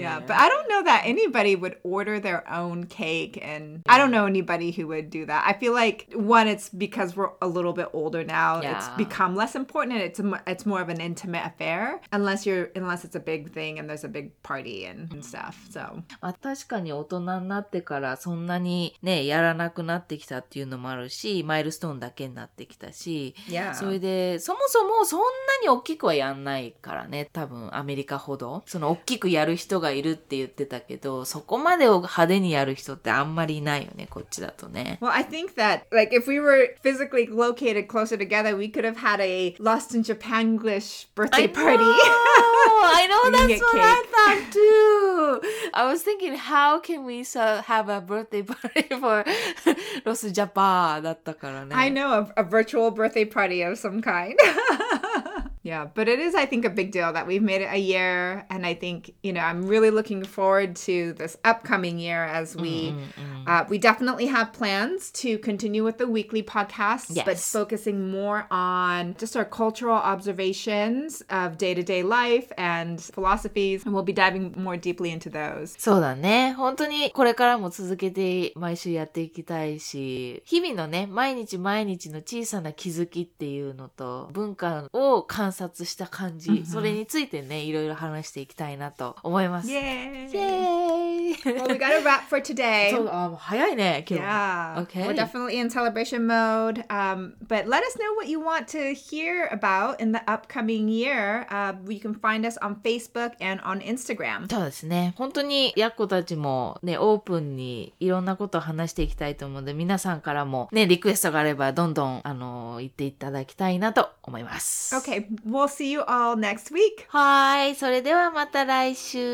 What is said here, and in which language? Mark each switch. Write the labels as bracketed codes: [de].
[en] Yeah, but I don't know that anybody would order their own cake, and I don't know anybody who would do that. I feel like, one, it's because we're a little bit older now, it's become less important, and it's more of an intimate affair, unless it's a big thing, and there's a big party and stuff, so. [ja] まあ、確かに大人になってからそんなにね、やらなくなってきたっていうのもあるし、マイルストーンだけになってきたし、 [en] yeah. [ja] それで、そもそもそんなに大きくはやんないからね、多分アメリカほど。その大きくやる人がいるって言ってたけど、そこまで派手にやる人ってあんまりいないよね、こっちだとね。 [en] Well, I think that, like, if we were physically located closer together, we could have had a Lost in Japanglish birthday party. I know! I know that's what I thought, too! I was thinking, how can we have a birthday party for Lost in Japan? [ja] だったからね。 [en] I know, a virtual birthday party of some kind. Yeah, but it is, I think, a big deal that we've made it a year. And I think, you know, I'm really looking forward to this upcoming year as we, we definitely have plans to continue with the weekly podcast, yes. but focusing more on just our cultural observations of day-to-day life and philosophies. And we'll be diving more deeply into those. [ja] そうだね。本当にこれからも続けて毎週やっていきたいし、日々のね、毎日毎日の小さな気づきっていうのと文化を感観察した感じ、mm-hmm. それについてね、いろいろ話していきたいなと思います。 [en] Yay! Yay! Well, we got a wrap for today. [ja] そう、早いね、今日。 [en] Yeah. Okay. We're definitely in celebration mode. But let us know what you want to hear about in the upcoming year. You can find us on Facebook and on Instagram. [ja] そうですね。本当にやっこたちもね、オープンにいろんなことを話していきたいと思うので、皆さんからもね、リクエストがあればどんどん言っていただきたいなと思います。 [en] Okay. We'll see you all next week. [ja] はい、それではまた来週。